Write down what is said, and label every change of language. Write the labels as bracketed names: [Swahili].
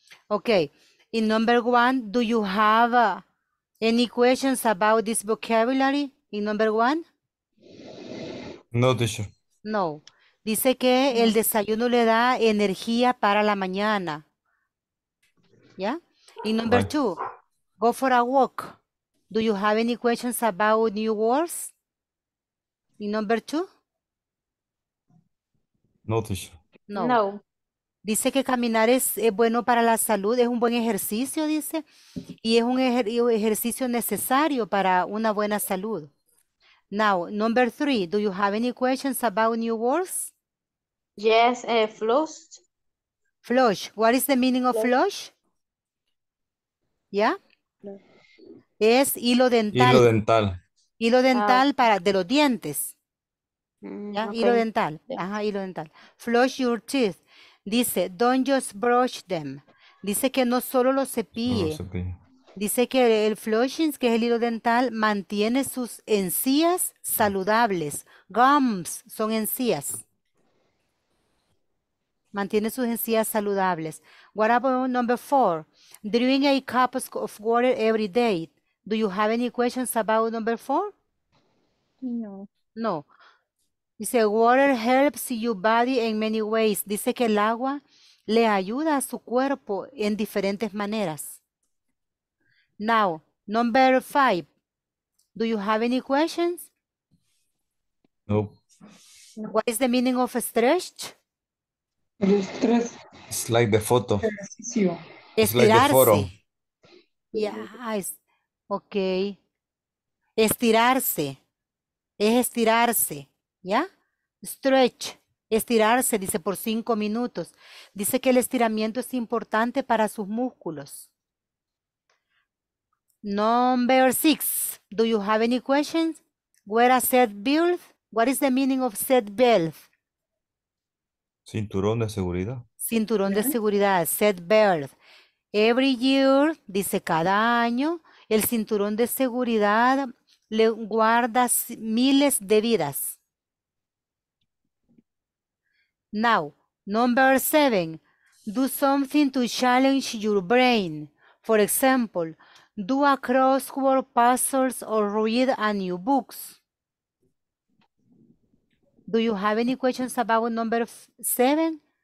[English] Okay, in number one, do you have a any questions about this vocabulary in number one? No, teacher. No. [Spanish] Dice que el desayuno le da energía para la mañana. [English] ¿Ya? Yeah? In number two, go for a walk. Do you have any questions about new words? In number two? No, teacher. No. No. [Spanish] Dice que caminar es bueno para la salud, es un buen ejercicio, dice, y es un ejercicio necesario para una buena salud. [English] Now, number three, do you have any questions about new words? Yes, flush. Flush. What is the meaning of flush? Yeah? No. [Spanish] Es hilo dental. Hilo dental. Hilo dental para de los dientes. Yeah? Okay. Hilo dental. Yeah. Ajá, hilo dental. [English] Flush your teeth. Dice, don't just brush them. [Spanish] Dice que no solo lo cepille. No lo cepille. Dice que el flushing, que es el hilo dental, mantiene sus encías saludables. Gums son encías. Mantiene sus encías saludables. [English] What about number four? Drink 8 cups of water every day. Do you have any questions about number four? No. No. Dice, water helps your body in many ways. [Spanish] Dice que el agua le ayuda a su cuerpo en diferentes maneras. [English] Now, number five. Do you have any questions? No. What is the meaning of stretch? [Spanish] El estrés. [English] It's like the photo. [Spanish] Ejercicio. Estirarse. Yeah, okay. Estirarse. Es estirarse, ¿ya? Stretch. Estirarse, dice, por 5 minutos. Dice que el estiramiento es importante para sus músculos. [English] Number six. Do you have any questions? Where are set belt? What is the meaning of set belt? [Spanish] Cinturón de seguridad. Cinturón de seguridad, set belt. [English] Every year, [Spanish] dice, cada año, el cinturón de seguridad le guarda miles de vidas. [English] Now, number seven, do something to challenge your brain. For example, do a crossword puzzles or read a new books. Do you have any questions about number seven?